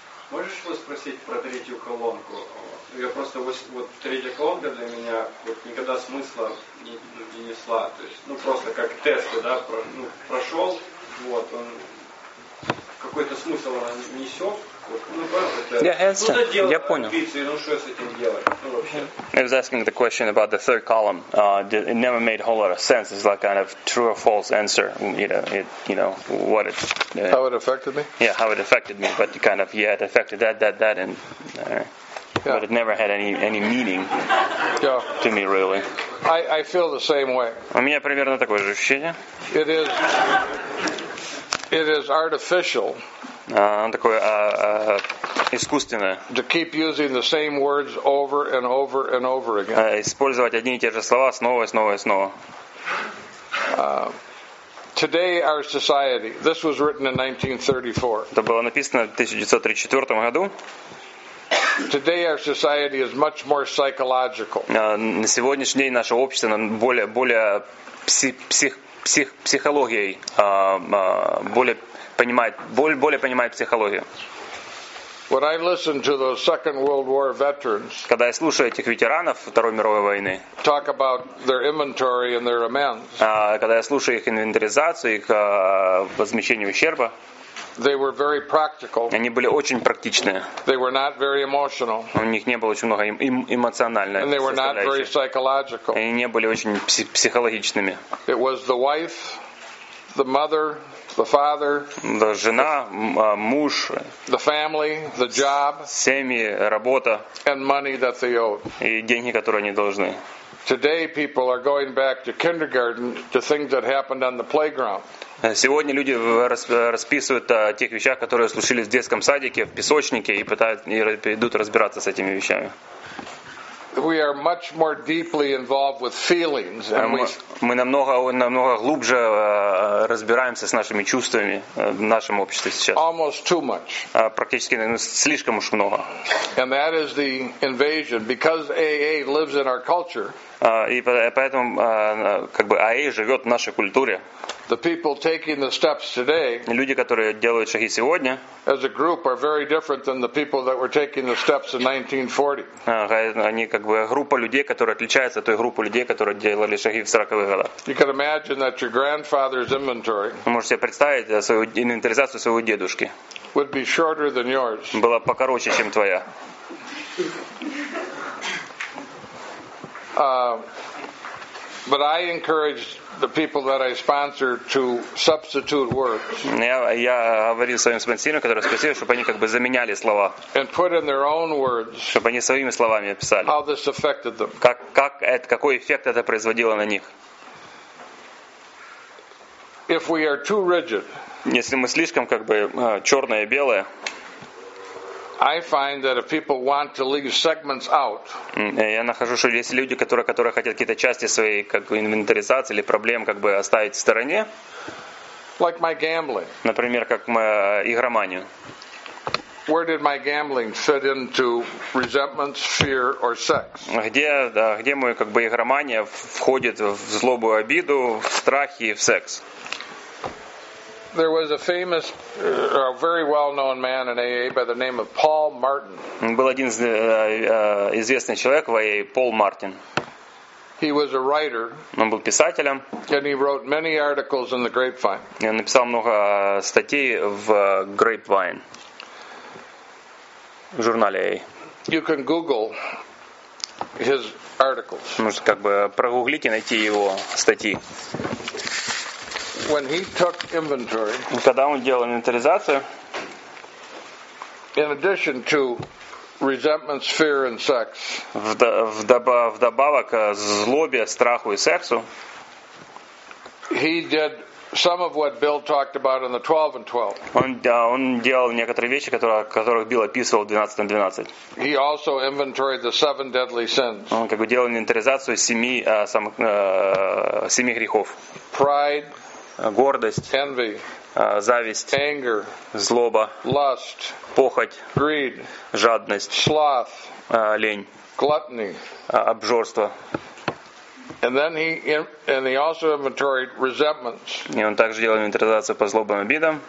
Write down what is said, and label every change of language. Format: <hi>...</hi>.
<ru>Можешь что спросить про третью колонку? Я просто вот третья колонка для меня вот никогда смысла не несла. То есть, ну просто как тесты, да, прошел, вот, он какой-то смысл она несет. Я понял.</ru> <en>Yeah. I was asking the question about the third column. It never made a whole lot of sense. It's like kind of true or false answer. How it affected me? Yeah, how it affected me. But kind of, yeah, it affected that, and. Yeah. But it never had any meaning yeah. to me, really. I feel the same way.</en> <ru>У меня примерно такое же ощущение.</ru> <en>It is artificial.</en> <ru>Такое искусственное.</ru> <en>To keep using the same words over and over and over again.</en> <ru>Использовать одни и те же слова снова и снова и снова.</ru> <en>Today our society. This was written in 1934.</en> <ru>Это было написано в 1934 году.</ru> <en>Today our society is much more psychological.</en> <ru>На сегодняшний день наше общество более психологией, более понимает, более понимает психологию.</ru> <en>When I listen to those Second World War veterans,</en> <ru>когда я слушаю этих ветеранов Второй мировой войны,</ru> <en>talk about their inventory and their amends,</en> <ru>когда я слушаю их инвентаризацию, их возмещение ущерба,</ru> <en>they were very practical,</en> <ru>они были очень практичные,</ru> <en>they were not very emotional,</en> <ru>у них не было очень много эмоциональной составляющей,</ru> <en>and they were not very psychological,</en> <ru>они не были очень психологичными.</ru> <en>It was the wife, the mother, the father, the</en> <ru>жена, муж,</ru> <en>the family, the job,</en> <ru>семьи, работа,</ru> <en>and money that they owed,</en> <ru>и деньги, которые они должны.</ru> <en>Today people are going back to kindergarten to things that happened on the playground.</en> <ru>Сегодня люди расписывают о тех вещах, которые случились в детском садике, в песочнике, и идут разбираться с этими вещами.</ru> <en>We are much more deeply involved with feelings, and</en> <ru>мы намного глубже разбираемся с нашими чувствами в нашем обществе сейчас.</ru> <en>Almost too much.</en> <ru>Практически слишком уж много.</ru> <en>And that is the invasion because AA lives in our culture.</en> <ru>И поэтому как бы AA живет в нашей культуре.</ru> <en>The people taking the steps today,</en> <ru>люди, которые делают шаги сегодня,</ru> <en>as a group, are very different than the people that were taking the steps in 1940.</en> <ru>Они как бы группа людей, которая отличается от той группы людей, которые делали шаги в 40-х годах.</ru> <en>You can imagine that your grandfather's inventory,</en> <ru>вы можете себе представить свою инвентаризацию своего дедушки,</ru> <en>would be shorter than yours.</en> <ru>Была покороче, чем твоя.</ru> <en>But I encourage the people that I sponsor to substitute words.</en> <ru>Я говорил своим спонсорам, которые спросили, чтобы они как бы заменяли слова.</ru> <en>And put in their own words.</en> <ru>Чтобы они своими словами писали.</ru> <en>How this affected them.</en> <ru>Какой эффект это производило на них?</ru> <en>If we are too rigid.</en> <ru>Если мы слишком как бы черное и белое.</ru> <en>I find that if people want to leave segments out,</en> <ru>я нахожу, что есть люди, которые хотят какие-то части своей как инвентаризации или проблем как бы оставить в стороне.</ru> <en>Like my gambling.</en> <ru>Например, как игроманию.</ru> <en>Where did my gambling fit into resentments, fear, or sex?</en> <ru>Где мой как бы игромания входит в злобу, обиду, в страхи и в секс?</ru> <en>There was a famous, a very well-known man in AA by the name of Paul Martin.</en> <ru>Был один известный человек в AA, Пол Мартин.</ru> <en>He was a writer.</en> <ru>Он был писателем.</ru> <en>And he wrote many articles in the Grapevine.</en> <ru>И он написал много статей в Grapevine, в журнале AA.</ru> <en>You can Google his articles.</en> <ru>Может, как бы прогуглить и найти его статьи.</ru> <en>When he took inventory,</en> <ru>когда он делал инвентаризацию,</ru> <en>in addition to resentments, fear, and sex,</en> <ru>вдобавок злобе, страху и сексу,</ru> <en>he did some of what Bill talked about in the 12 and 12.</en> <ru>Он делал некоторые вещи, которых Билл описывал в 12 и 12.</ru> <en>He also inventoried the seven deadly sins.</en> <ru>Он как бы делал инвентаризацию семи грехов.</ru> <en>Pride,</en> <ru>гордость,</ru> <en>envy,</en> <ru>зависть,</ru> <en>anger,</en> <ru>злоба,</ru> <en>lust,</en> <ru>похоть,</ru> <en>greed,</en> <ru>жадность,</ru> <en>sloth,</en> <ru>лень,</ru> <en>gluttony,</en> <ru>обжорство.</ru> <en>And then he also inventoried resentments.</en> <ru>И он также делал инвентаризацию по злобам и обидам.</ru>